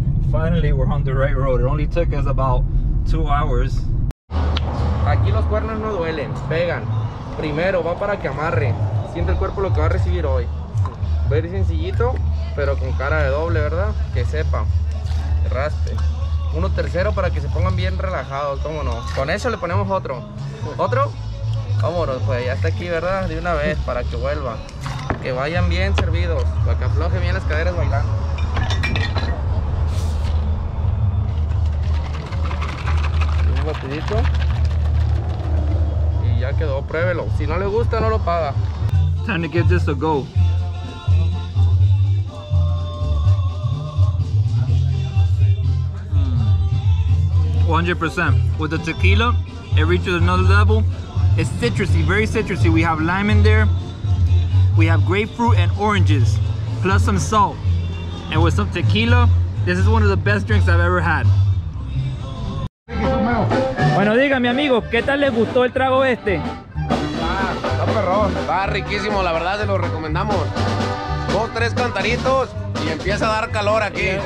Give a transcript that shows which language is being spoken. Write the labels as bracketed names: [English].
[English] Finally, we're on the right road. It only took us about 2 hours. [Spanish] Aquí los cuernos no duelen, pegan. Primero, va para que amarre. Siente el cuerpo lo que va a recibir hoy. Very sencillito, pero con cara de doble, ¿verdad? Que sepa. Raspe. Uno tercero para que se pongan bien relajados, cómo no. Con eso le ponemos otro. ¿Otro? Vámonos, pues, ya está aquí, ¿verdad? De una vez, para que vuelva. Que vayan bien servidos. Para que afloje bien las caderas bailando. Y ya quedó, pruébelo. Si no le gusta, no lo paga. [English] Time to get this a go. Mm. 100%. With the tequila, it reaches another level. It's citrusy, very citrusy. We have lime in there. We have grapefruit and oranges, plus some salt. And with some tequila, this is one of the best drinks I've ever had. [Spanish] Bueno, dígame, amigo, ¿qué tal le gustó el trago este? Está perrón. Está riquísimo, la verdad, se lo recomendamos. Dos, tres cantaritos y empieza a dar calor aquí.